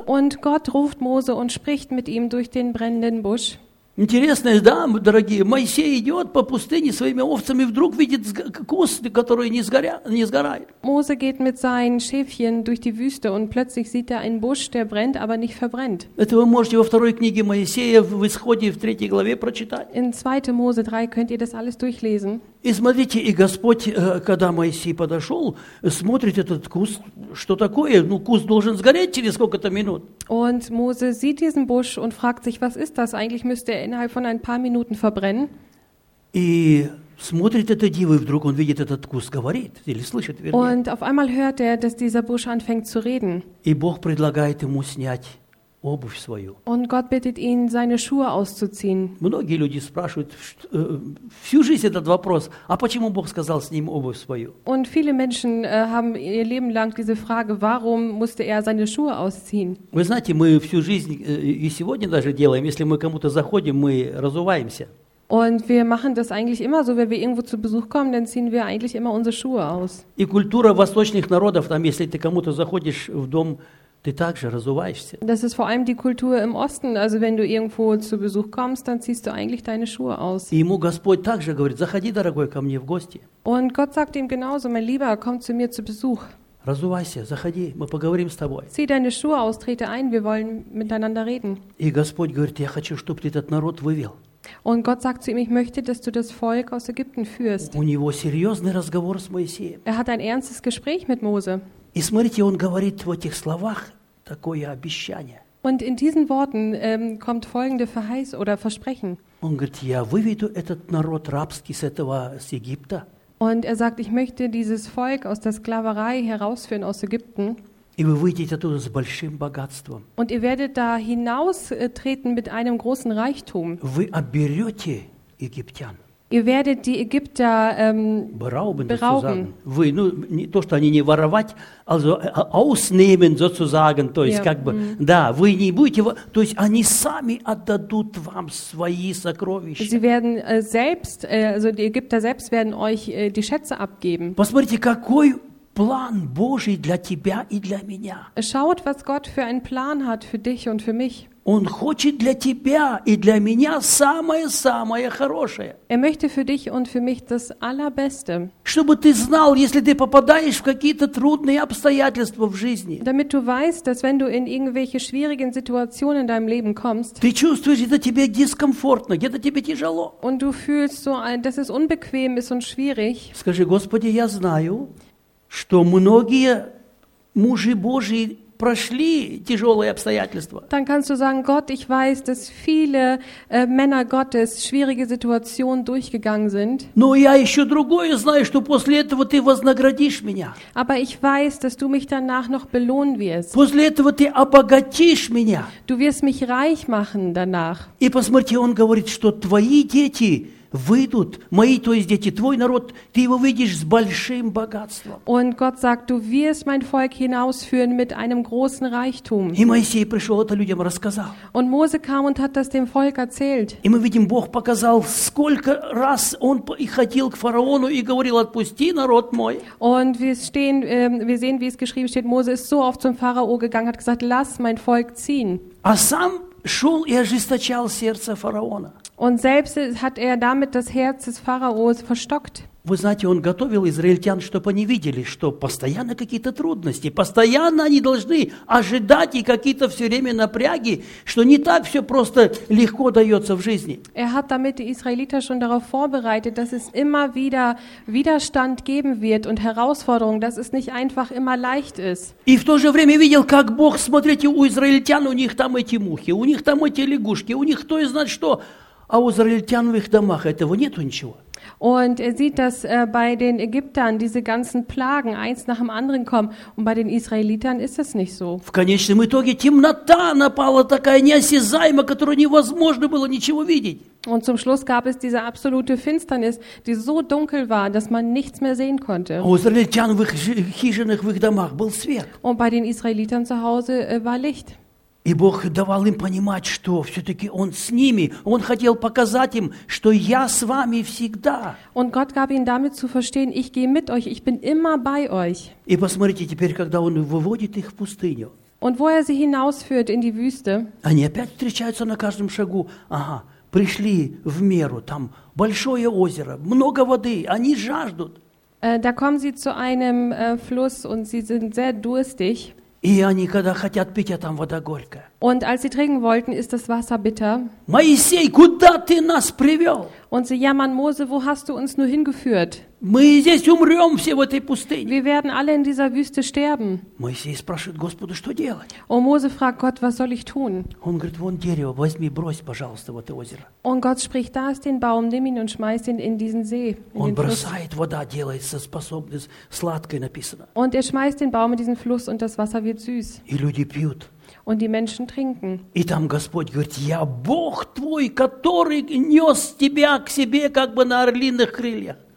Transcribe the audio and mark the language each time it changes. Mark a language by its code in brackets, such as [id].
[de] Und Gott ruft Mose und spricht mit ihm durch den brennenden Busch. [ru] Интересно, да, дорогие, Моисей идет по пустыне своими овцами, вдруг видит куст, который не сгорает. [de] Mose geht mit seinen Schäfchen durch die Wüste und plötzlich sieht er einen Busch, der brennt, aber nicht verbrennt. [ru] Это вы можете во второй книге Моисея в Исходе в третьей главе прочитать. [de] In 2. Mose 3 könnt ihr das alles durchlesen. [ru] И смотрите, и Господь, когда Моисей подошел, смотрит этот куст, что такое? Ну, куст должен сгореть через сколько-то минут. [de] Und Mose sieht diesen Busch und fragt sich, was ist das? Eigentlich müsste er innerhalb von ein paar Minuten verbrennen. [ru] И смотрит это диво, и вдруг он видит этот куст, говорит, или слышит, вернее. [de] Und auf einmal hört er, dass dieser Busch anfängt zu reden. [ru] И Бог предлагает ему снять обувь свою. [de] Und Gott bittet ihn, seine Schuhe auszuziehen. [ru] Многие люди спрашивают всю жизнь этот вопрос: а почему Бог сказал с ним обувь свою? [de] Und viele Menschen haben ihr Leben lang diese Frage: warum musste er seine Schuhe ausziehen? [ru] Вы знаете, мы всю жизнь и сегодня даже делаем, если мы кому-то заходим, мы разуваемся. [de] Und wir machen das eigentlich immer so, wenn wir irgendwo zu Besuch kommen, dann ziehen wir eigentlich immer unsere Schuhe aus. [ru] И культура восточных народов, там, если ты кому-то заходишь в дом, ты также разуваешься. [de] Das ist vor allem die Kultur im Osten. Also wenn du irgendwo zu Besuch kommst, dann ziehst du eigentlich deine Schuhe aus. [ru] И ему Господь также говорит: заходи, дорогой, ко мне в гости. [de] Und Gott sagt ihm genauso: mein Lieber, komm zu mir zu Besuch. [ru] Разувайся, заходи, мы поговорим с тобой. [de] Zieh deine Schuhe aus, trete ein, wir wollen miteinander reden. [ru] И Господь говорит: я хочу, чтобы ты этот народ вывел. [de] Und Gott sagt zu ihm: ich möchte, dass du das Volk aus Ägypten führst. [ru] У него серьезный разговор с Моисеем. [de] Er hat ein ernstes Gespräch mit Mose. [ru] И смотрите, он говорит в этих словах такое обещание. [de] Und in diesen Worten kommt folgende Verheiß oder Versprechen. [ru] Он говорит: я выведу этот народ рабский с этого, с Египта. [de] Und er sagt: ich möchte dieses Volk aus der Sklaverei herausführen aus Ägypten. [ru] И вы выйдете оттуда с большим богатством. [de] Und ihr werdet da hinaustreten mit einem großen Reichtum. [ru] Вы оберете египтян. [de] Ihr werdet die Ägypter berauben. [ru] Вы, ну, не, то, что они не воровать, [de] also ausnehmen sozusagen, [ru] то есть, yeah, как бы, да, вы не будете, то есть они сами отдадут вам свои сокровища. [de] Sie werden selbst, also die Ägypter selbst werden euch die Schätze abgeben. [ru] Посмотрите, какой план Божий для тебя и для меня. [de] Schaut, was Gott für einen Plan hat für dich und für mich. [ru] Он хочет для тебя и для меня самое-самое хорошее. [de] Er möchte für dich und für mich das Allerbeste. [ru] Чтобы ты знал, если ты попадаешь в какие-то трудные обстоятельства в жизни. [de] Damit du weißt, dass wenn du in irgendwelche schwierigen Situationen in deinem Leben kommst. [ru] Ты чувствуешь, это тебе дискомфортно, где-то тебе тяжело. [de] Und du fühlst so, dass es unbequem ist und schwierig. [ru] Скажи: Господи, я знаю, что многие мужи Божьи прошли тяжелые обстоятельства. [de] Dann kannst du sagen: Gott, ich weiß, dass viele Männer Gottes schwierige Situationen durchgegangen sind. [ru] Но я еще другое знаю, что после этого ты вознаградишь меня. [de] Aber ich weiß, dass du mich danach noch belohnen wirst. [ru] После этого ты обогатишь меня. [de] Du wirst mich reich machen danach. [ru] И посмотрите, он говорит, что твои дети выйдут, мои, то есть дети, твой народ, ты его выйдешь с большим богатством. [de] Und Gott sagt: du wirst mein Volk hinausführen mit einem großen Reichtum. [ru] И Моисей пришел, это людям рассказал. [de] Und Mose kam und hat das dem Volk erzählt. [ru] И мы видим, Бог показал, сколько раз он ходил к фараону и говорил: отпусти народ мой. [de] Und wir sehen, wie es geschrieben steht, Mose ist so oft zum Pharao gegangen, hat gesagt: lass mein Volk ziehen. [ru] А сам шел и ожесточал сердце фараона. [de] Und selbst hat er damit das Herz des Pharaos verstockt. [ru] Вы знаете, он готовил израильтян, чтобы они видели, что постоянно какие-то трудности, постоянно они должны ожидать и какие-то все время напряги, что не так все просто легко дается в жизни. [de] Er hat damit die Israeliter schon darauf vorbereitet, dass es immer wieder Widerstand geben wird und Herausforderungen, dass es nicht einfach immer leicht ist. [ru] И в то же время видел, как Бог, смотрите, у израильтян, у них там эти мухи, у них там эти лягушки, у них кто знает что. А у израильтян в их домах этого нету ничего. [de] Und er sieht, dass bei den Ägyptern diese ganzen Plagen eins nach dem anderen kommen, und bei den Israelitern ist das nicht so. [ru] В конечном итоге темнота напала такая неосязаемая, которую невозможно было ничего видеть. [de] Und zum Schluss gab es diese absolute Finsternis, die so dunkel war, dass man nichts mehr sehen konnte. [ru] У израильтян в их хижинах, в их домах был свет. [de] Und bei den Israelitern zu Hause war Licht. [ru] И Бог давал им понимать, что все-таки Он с ними. Он хотел показать им, что Я с вами всегда. [de] Und Gott gab ihnen damit zu verstehen, ich gehe mit euch, ich bin immer bei euch. [ru] И посмотрите теперь, когда Он выводит их в пустыню. [de] Und wo Er sie hinausführt in die Wüste. [ru] Они опять встречаются на каждом шагу. Ага, пришли в меру, там большое озеро, много воды, они жаждут. [de] Da kommen sie zu einem Fluss und sie sind sehr durstig. [ru] И они, когда хотят пить, а там вода горькая. [de] Und als sie trinken wollten, ist das Wasser bitter. [ru] Моисей, куда ты нас привел? [de] Und sie jammern Mose, wo hast du uns nur hingeführt? [ru] Мы здесь умрем все в этой пустыне. [de] Wir werden alle in dieser Wüste sterben. [ru] Моисей спрашивает Господа, что делать? [de] Und Mose fragt Gott, was soll ich tun? [ru] Он говорит, вон дерево, возьми, брось, пожалуйста, в это озеро. [de] Und Gott spricht, da ist den Baum, nimm ihn und schmeiß ihn in diesen See. [ru] Он бросает, вода делается способной, сладкой написано. [de] Und schmeißt den Baum in diesen Fluss und das Wasser wird süß. [ru] И люди пьют. [de] Und die Menschen trinken. [ru] И там Господь говорит, я Бог твой, который нес тебя к себе, как бы на орлиных крыльях.